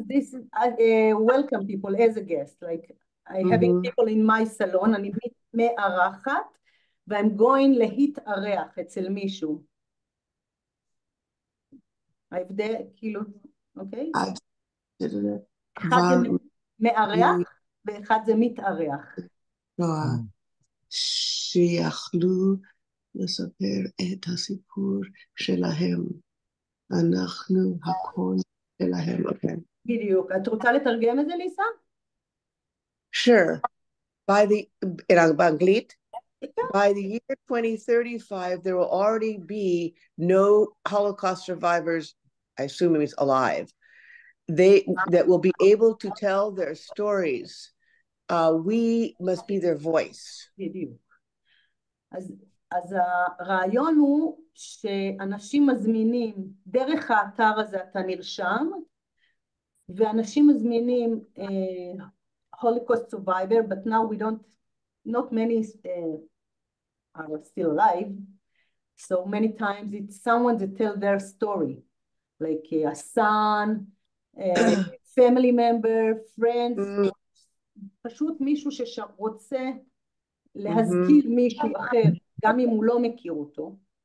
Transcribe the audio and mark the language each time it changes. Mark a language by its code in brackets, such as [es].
[en] This is welcome people as a guest, like I having people in my salon. [he] אני מארחת, ו- [en] I'm going [he] להתארח אצל מישהו. ההבדל, כאילו, אוקיי? אחד זה מארח, ואחד זה מתארח. שיכלו לספר את הסיפור שלהם. אנחנו הכל שלהם, אוקיי. בדיוק. את רוצה לתרגם את זה, ליסה? [en] Sure. By the, in Anglit, by the year 2035, there will already be no Holocaust survivors, I assume it means alive, they, that will be able to tell their stories. We must be their voice. [he] אז הרעיון הוא שאנשים מזמינים, דרך האתר הזה אתה נרשם, ואנשים מזמינים... [en] Holocaust survivor, but now we don't, not many are still alive. So many times it's someone to tell their story, like a son, a family member, friends, [he] פשוט מישהו שרוצה להזכיר מישהו אחר, גם אם הוא לא מכיר אותו.